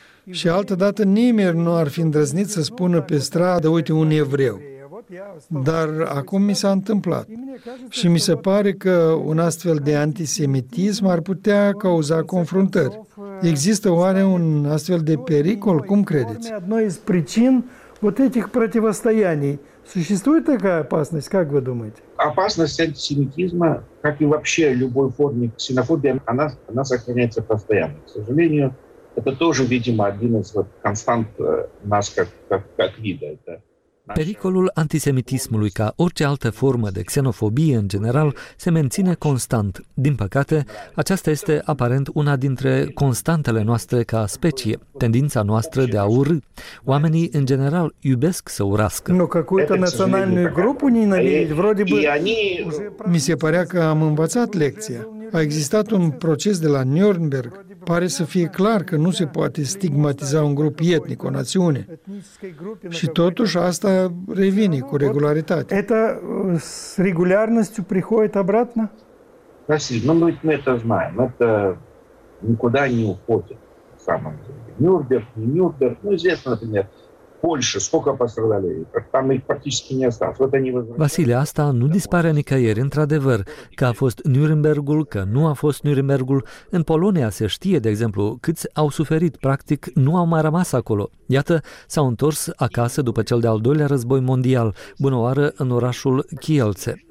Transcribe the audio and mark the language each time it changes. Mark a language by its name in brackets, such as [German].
[Romanian] Și altădată nimeni nu ar fi îndrăznit să spună pe stradă, uite, un evreu. Dar acum mi s-a întâmplat și mi se pare că un astfel de antisemitism ar putea cauza confruntări. Există oare un astfel de pericol? Cum credeți? [Russian] Одна из причин вот этих противостояний существует такая опасность, как вы думаете? Опасность антисемитизма, как и вообще любой формы ксенофобии, она сохраняется постоянно. К сожалению, это тоже, видимо, один из констант нас как вида. [Romanian] Pericolul antisemitismului, ca orice altă formă de xenofobie în general, se menține constant. Din păcate, aceasta este aparent una dintre constantele noastre ca specie, tendința noastră de a urî. Oamenii, în general, iubesc să urască. Nu, că cu internaționalului grupul ninării, vreodă bă... Mi se părea că am învățat lecția. A existat un proces de la Nürnberg. Pare să fie clar că nu se poate stigmatiza un grup etnic, o națiune. Și totuși asta revine cu regularitate. [Russian] Это с регулярностью приходит обратно? Василий, ну мы это знаем. Это никуда не уходит. Нюрнберг, не Нюрнберг. Ну, известно, например, Польша, сколько пострадали, там их практически не осталось. Вот они возвращаются. [Romanian] Василий, asta nu dispare nicăieri, într-adevăr, că a fost Nürnbergul, că nu a fost Nürnbergul. În Polonia se știe, de exemplu, câți au suferit, practic nu au mai rămas acolo. Iată, s-au întors acasă după cel de-al doilea război mondial, bunăoară în orașul Kielce.